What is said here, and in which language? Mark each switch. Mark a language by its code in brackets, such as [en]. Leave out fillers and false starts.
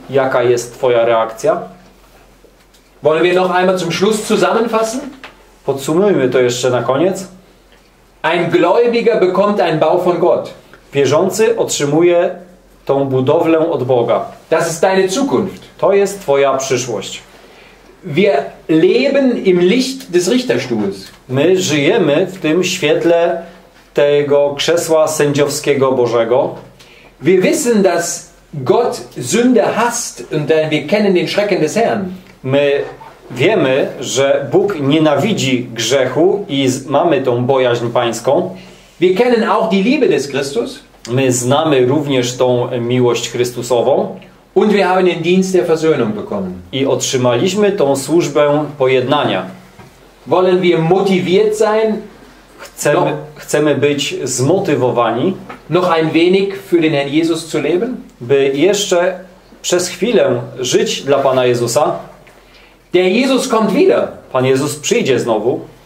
[pl] Jaka jest twoja reakcja? [de] Wollen wir noch einmal zum Schluss zusammenfassen? [pl] Podsumujmy to jeszcze na koniec. [de] Ein Gläubiger bekommt einen Bau von Gott. [pl] Wierzący otrzymuje tą budowlę od Boga. [de] Das ist deine Zukunft. [pl] To jest twoja przyszłość. [de] Wir leben im Licht des Richterstuhls. [pl] My żyjemy w tym świetle tego krzesła sędziowskiego Bożego. [de] Wir wissen, dass Gott Sünde hasst und wir kennen den Schrecken des Herrn. [pl] My wiemy, że Bóg nienawidzi grzechu i mamy tą bojaźń pańską. [de] Wir kennen auch die Liebe des Christus. [pl] My znamy również tą miłość Chrystusową. [de] Und wir haben den Dienst der Versöhnung bekommen. [pl] I otrzymaliśmy tą służbę pojednania. [de] Wollen wir motiviert sein? [pl] Chcemy być zmotywowani. [de] Noch ein wenig für den Herrn Jesus zu leben? [pl] By jeszcze przez chwilę żyć dla Pana Jezusa. [de] Der Jesus kommt wieder. [pl] Pan Jezus przyjdzie znowu.